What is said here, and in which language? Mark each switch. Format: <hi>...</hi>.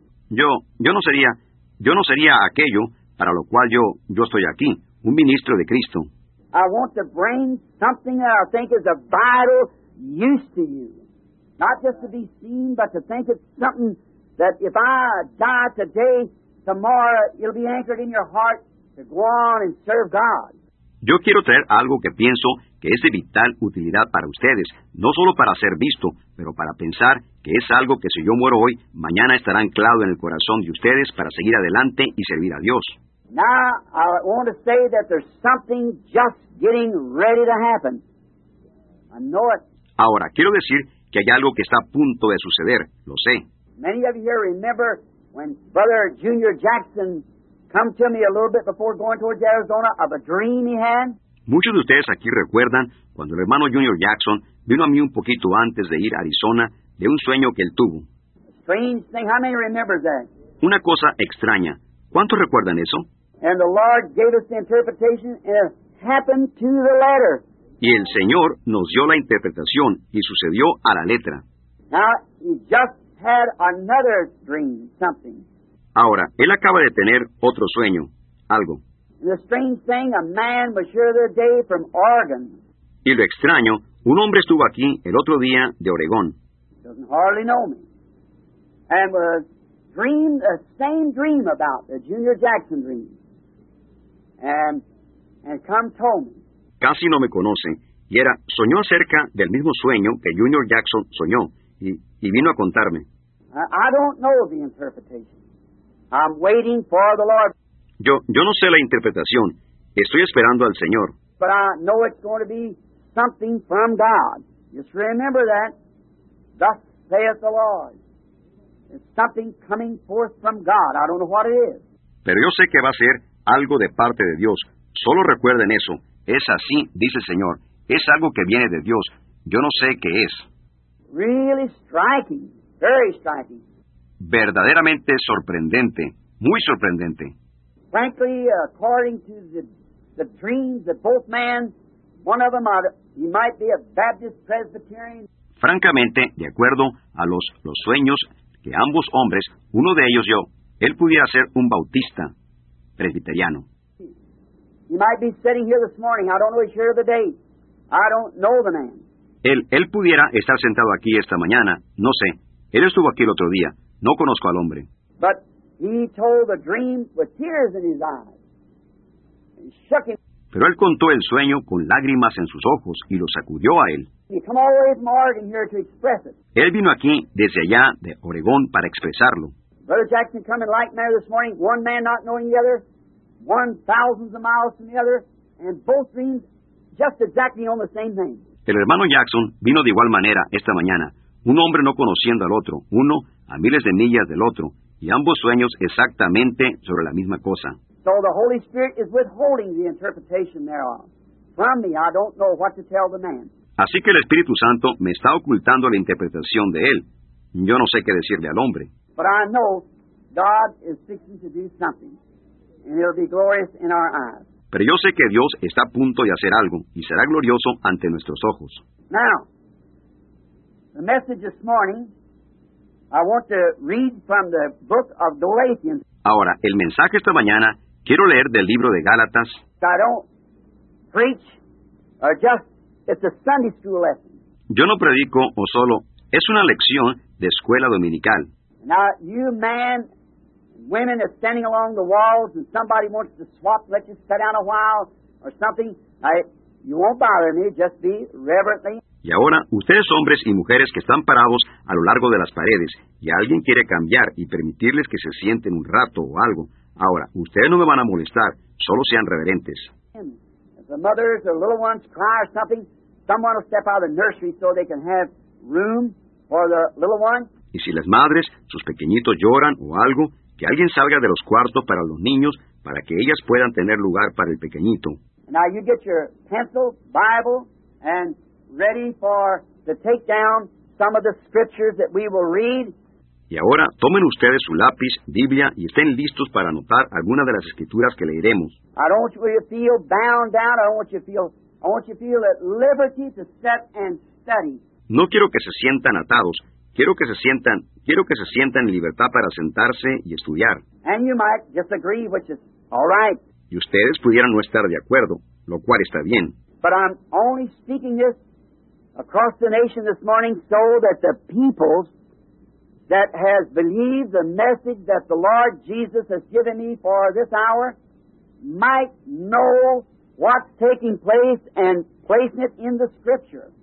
<es>Yo no sería aquello para lo cual yo estoy aquí, un ministro de Cristo.</es> <en>I want to bring something that I think is a vital use to you. Not just to be seen, but to think it's something that if I die today, tomorrow, it'll be anchored in your heart to go on and serve God.</en> <es>Yo quiero traer algo que pienso que es de vital utilidad para ustedes, no solo para ser visto, pero para pensar que es algo que si yo muero hoy, mañana estará anclado en el corazón de ustedes para seguir adelante y servir a Dios.</es> <en>Now, I want to say that there's something just getting ready to happen. I know it.</en> <es>Ahora, quiero decir que hay algo que está a punto de suceder, lo sé.</es> <en>Many of you here remember when Brother Junior Jackson came to me a little bit before going towards Arizona of a dream he had.</en> <es>Muchos de ustedes aquí recuerdan cuando el hermano Junior Jackson vino a mí un poquito antes de ir a Arizona de un sueño que él tuvo.</es> <en>Strange thing, how many remember that?</en> <es>Una cosa extraña. ¿Cuántos recuerdan eso?</es> <en>And the Lord gave us the interpretation and it happened to the letter.</en> <es>Y el Señor nos dio la interpretación y sucedió a la letra.</es> <en>Now, he just had another dream, something.</en> <es>Ahora, él acaba de tener otro sueño, algo.</es> <en>The strange thing, a man was here the other day from Oregon.</en> <es>Y lo extraño, un hombre estuvo aquí el otro día de Oregón.</es> <en>Doesn't hardly know me. And was dreamed the same dream about, the Junior Jackson dream. And come told me.</en> <es>Casi no me conoce, y era, soñó acerca del mismo sueño que Junior Jackson soñó, y vino a contarme.</es> <en>I don't know the interpretation. I'm waiting for the Lord.</en> <es>Yo no sé la interpretación. Estoy esperando al Señor.</es> <en>But I know it's going to be something from God. Just remember that. Thus saith the Lord. It's something coming forth from God. I don't know what it is.</en> <es>Pero yo sé que va a ser algo de parte de Dios. Solo recuerden eso. Es así, dice el Señor. Es algo que viene de Dios. Yo no sé qué es.</es> <en>Really striking. Very striking.</en> <es>Verdaderamente sorprendente. Muy sorprendente.</es> <en>frankly, according to the dreams that both men, one of them, he might be a Baptist Presbyterian.</en> <es>Francamente, de acuerdo a los sueños que ambos hombres, uno de ellos yo, él pudiera ser un bautista presbiteriano.</es> <en>He might be sitting here this morning. I don't know if you're the date. I don't know the man.</en> <es>Él pudiera estar sentado aquí esta mañana. No sé. Él estuvo aquí el otro día. No conozco al hombre.</es> <en>But he told the dream with tears in his eyes. And shook him.</en> <es>Pero él contó el sueño con lágrimas en sus ojos y lo sacudió a él.</es> <en>He come all the way from Oregon here to express it.</en> <es>Él vino aquí desde allá de Oregón para expresarlo.</es> <en>Brother Jackson came in like manner this morning, one man not knowing the other, one thousands of miles from the other, and both dreams just exactly on the same thing.</en> <es>El hermano Jackson vino de igual manera esta mañana, un hombre no conociendo al otro, uno a miles de millas del otro, y ambos sueños exactamente sobre la misma cosa.</es> <en>So the Holy Spirit is withholding the interpretation thereof. From me, I don't know what to tell the man.</en> <es>Así que el Espíritu Santo me está ocultando la interpretación de él. Yo no sé qué decirle al hombre.</es> <en>But I know God is fixing to do something, and it'll be glorious in our eyes.</en> <es>Pero yo sé que Dios está a punto de hacer algo, y será glorioso ante nuestros ojos.</es> <en>Now, the message this morning, I want to read from the book of Galatians.</en> <es>Ahora, el mensaje esta mañana, quiero leer del libro de Gálatas.</es> <en>I don't preach, or just, it's a Sunday school lesson.</en> <es>Yo no predico, o solo, es una lección de escuela dominical.</es> <en>Now, you man, women are standing along the walls, and somebody wants to swap, let you sit down a while, or something, you won't bother me, just be reverently.</en> <es>Y ahora, ustedes hombres y mujeres que están parados a lo largo de las paredes, y alguien quiere cambiar y permitirles que se sienten un rato o algo, ahora, ustedes no me van a molestar, solo sean reverentes.</es> <en>If the mothers or little ones cry or something, someone will step out of the nursery so they can have room for the little one.</en> <es>Y si las madres, sus pequeñitos lloran o algo, que alguien salga de los cuartos para los niños, para que ellas puedan tener lugar para el pequeñito.</es> <en>Now you get your pencil, Bible, and ready for to take down some of the scriptures that we will read.</en> <es>Y ahora, tomen ustedes su lápiz, Biblia, y estén listos para anotar algunas de las escrituras que leeremos.</es> <en>I don't want you to feel bound down. I want you to feel at liberty to sit and study.</en> <es>No quiero que se sientan atados. Quiero que se sientan en libertad para sentarse y estudiar.</es> <en>And you might disagree, which is all right.</en> <es>Y ustedes pudieran no estar de acuerdo, lo cual está bien.</es> <en>But I'm only speaking this across the nation this morning so that the peoples that has believed the message that the Lord Jesus has given me for this hour might know what's taking place and placing it in the Scripture.</en>